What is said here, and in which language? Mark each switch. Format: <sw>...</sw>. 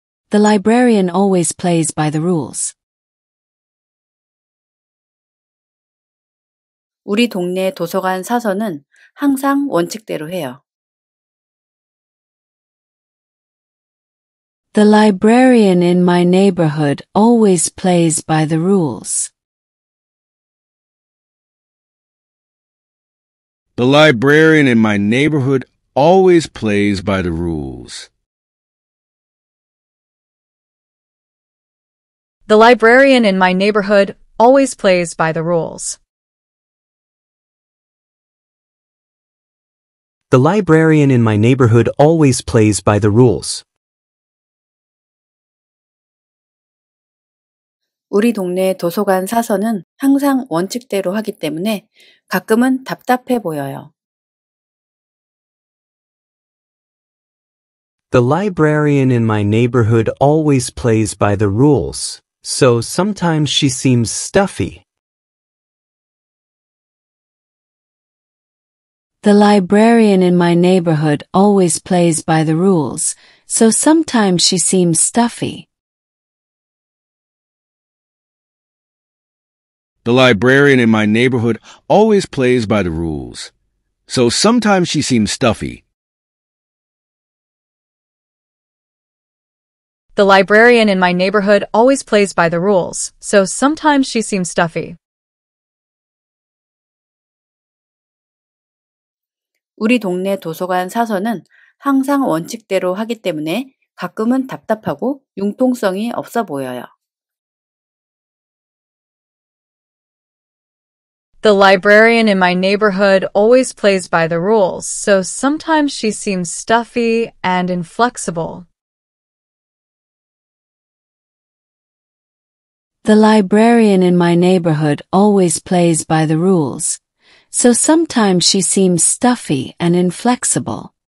<en>The librarian always plays by the rules.</en> <ko>우리 동네 도서관 사서는 항상 원칙대로 해요.</ko> <en>The librarian in my neighborhood always plays by the rules. The librarian in my neighborhood always plays by the rules. The librarian in my neighborhood always plays by the rules. The librarian in my neighborhood always plays by the rules.</en> <ko>우리 동네 도서관 사서는 항상 원칙대로 하기 때문에 가끔은 답답해 보여요.</ko> <en>The librarian in my neighborhood always plays by the rules, so sometimes she seems stuffy. The librarian in my neighborhood always plays by the rules, so sometimes she seems stuffy. The librarian in my neighborhood always plays by the rules, so sometimes she seems stuffy. The librarian in my neighborhood always plays by the rules, so sometimes she seems stuffy.</en> <ko>우리 동네 도서관 사서는 항상 원칙대로 하기 때문에 가끔은 답답하고 융통성이 없어 보여요.</ko> <en>The librarian in my neighborhood always plays by the rules, so sometimes she seems stuffy and inflexible. The librarian in my neighborhood always plays by the rules, so sometimes she seems stuffy and inflexible.</en>